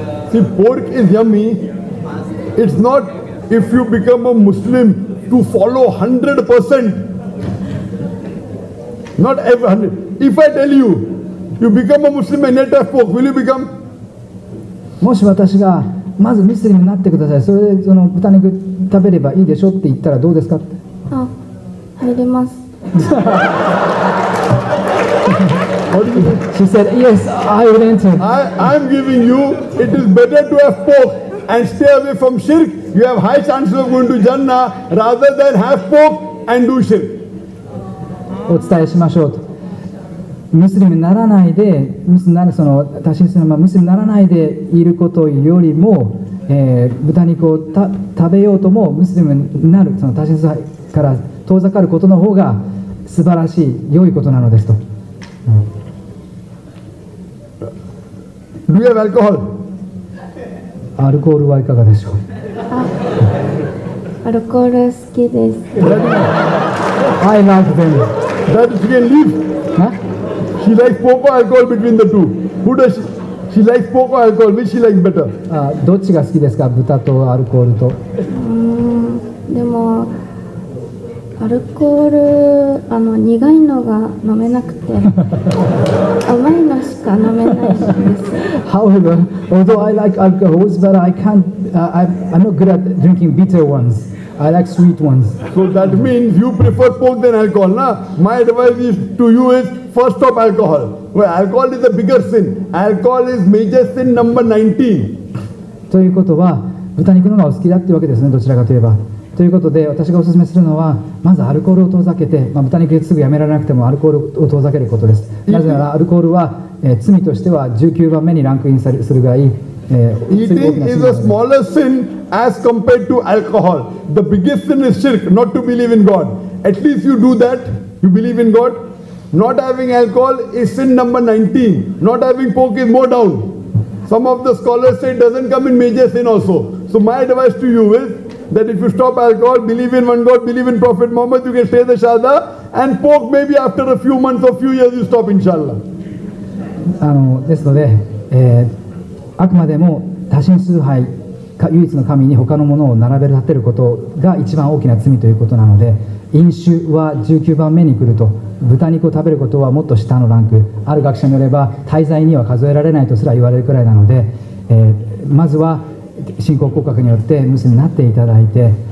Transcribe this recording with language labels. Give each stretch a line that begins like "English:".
English: See, pork is yummy. It's not if you become a Muslim to follow 100%. Not every 100. If I tell you, you become a Muslim and yet have pork, will you become?
Japanese: もし私がまずムスリムになってください、それでその豚肉食べればいいでしょって言ったらどうですか？あ、入れます。
English: She said, "Yes, I will enter." I'm giving you. It is better to have pork and stay away from shirk. You have high chances of going to Jannah rather than have pork and do shirk.
Japanese: お伝えしましょうと、ムスリムにならないで、ムスならその多神するままムスリムにならないでいることよりも、豚肉を食べようともムスリムになる、その多神するから遠ざかることの方が素晴らしい良いことなのですと。
English: Do you have alcohol?
Japanese: アルコールはいかがでしょう。アルコール好きです。
English: I love them. That she can leave. Huh? She likes pork or alcohol between the two. Who does she likes pork or alcohol? Which she likes better?
Japanese: どっちが好きですか、豚とアルコールと。でもアルコール苦いのが飲めなくて、甘いのしか飲めないんです。
English: However, although I like alcohols, but I can't. I'm not good at drinking bitter ones. I like sweet ones. So that means you prefer pork than alcohol, na? My advice is to you is first stop alcohol. Well, alcohol is a bigger sin. Alcohol is major sin number 19.
Japanese: ということは、豚肉の方がお好きだというわけですね、どちらかといえば。ということで、私がお勧めするのは、まずアルコールを遠ざけて、まあ、豚肉すぐやめられなくてもアルコールを遠ざけることです。なぜなら、アルコールは、罪としては19番目にランクインするぐらい、
English: Eating is a smaller sin as compared to alcohol. The biggest sin is shirk, not to believe in God. At least you do that, you believe in God. Not having alcohol is sin number 19. Not having pork is more down. Some of the scholars say it doesn't come in major sin also. So my advice to you is that if you stop alcohol, believe in one God, believe in Prophet Muhammad, you can say the Shahada, and pork maybe after a few months or few years you stop, inshallah.
Japanese: あくまでも多神崇拝か唯一の神に他のものを並べ立てることが一番大きな罪ということなので、飲酒は19番目に来ると、豚肉を食べることはもっと下のランク、ある学者によれば滞在には数えられないとすら言われるくらいなので、まずは信仰告白によってムスリムになっていただいて、